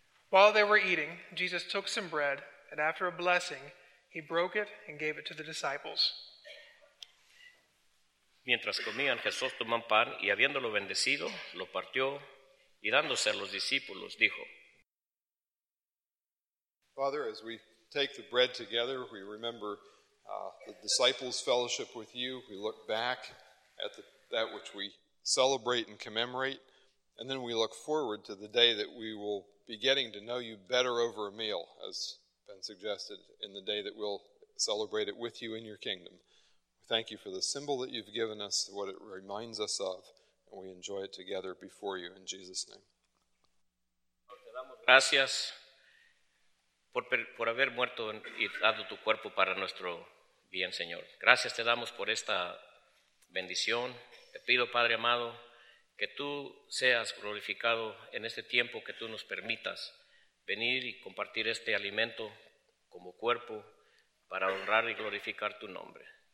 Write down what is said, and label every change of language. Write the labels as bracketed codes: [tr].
[en] While they were eating, Jesus took some bread, and after a blessing, he broke it and gave it to the disciples. [es] Mientras comían, Jesús tomó un pan y habiéndolo bendecido, lo partió y dándose a los discípulos, dijo. [en] Father, as we take the bread together, we remember the disciples' fellowship with you. We look back at that which we celebrate and commemorate, and then we look forward to the day that we will be getting to know you better over a meal, as been suggested, in the day that we'll celebrate it with you in your kingdom. Thank you for the symbol that you've given us, what it reminds us of, and we enjoy it together before you in Jesus' name. [es] Gracias por haber muerto y dado tu cuerpo para nuestro bien, Señor. Gracias te damos por esta bendición. Te pido, Padre amado, que tú seas glorificado en este tiempo, que tú nos permitas venir y compartir este alimento como cuerpo para honrar y glorificar tu nombre.